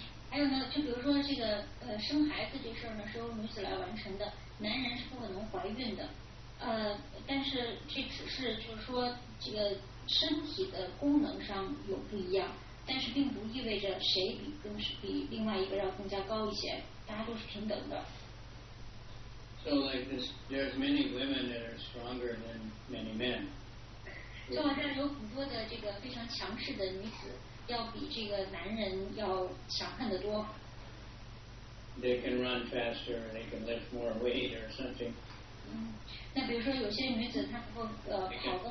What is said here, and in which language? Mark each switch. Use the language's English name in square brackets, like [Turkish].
[Chinese] 还有呢，就比如说这个生孩子这事儿呢，是由女子来完成的，男人是不可能怀孕的，但是这只是就是说这个身体的功能上有不一样，但是并不意味着谁比另外一个要更加高一些，大家都是平等的。 [English] So like this, there's many women that are stronger than many men. [Chinese] 就好像有很多的这个非常强势的女子，要比这个男人要强悍得多。 [English] They can run faster, they can lift more weight or something. [Chinese] 那比如说有些女子她能够跑得